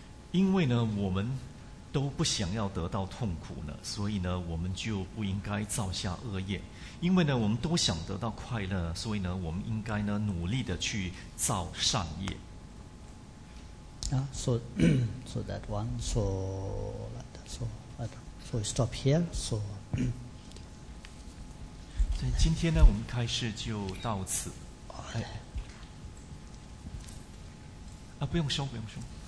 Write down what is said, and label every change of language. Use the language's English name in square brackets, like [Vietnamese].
[Chinese] 因为呢，我们都不想要得到痛苦呢，所以呢，我们就不应该造下恶业。因为呢，我们都想得到快乐，所以呢，我们应该呢努力的去造善业。 [English] So that one, so like that, so we stop here. So, [Chinese] 所以今天呢，我们开始就到此。哎，啊，不用收，不用收。嗯。